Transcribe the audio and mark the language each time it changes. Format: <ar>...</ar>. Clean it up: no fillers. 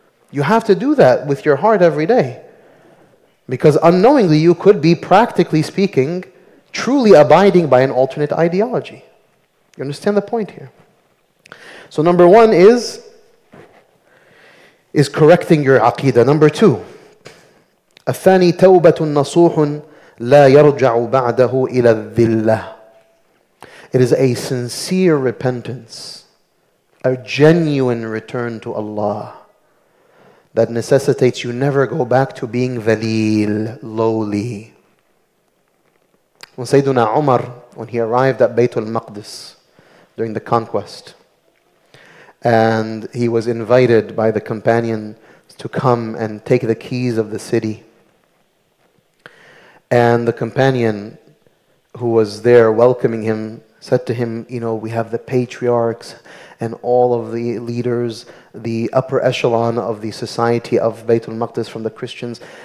<en>You have to do that with your heart every day. Because unknowingly, you could be, practically speaking, truly abiding by an alternate ideology. You understand the point here? So number one is correcting your aqidah. Number two,</en> <ar>الثاني توبة نصوح لا يرجع بعده إلى الذلة.</ar> <en>It is a sincere repentance, a genuine return to Allah, that necessitates you never go back to being ذليل, lowly. When Sayyiduna Umar, when he arrived at Bayt al-Maqdis during the conquest, and he was invited by the companion to come and take the keys of the city, and the companion who was there welcoming him said to him, you know, we have the patriarchs and all of the leaders, the upper echelon of the society of Bayt al-Maqdis from the Christians.</en>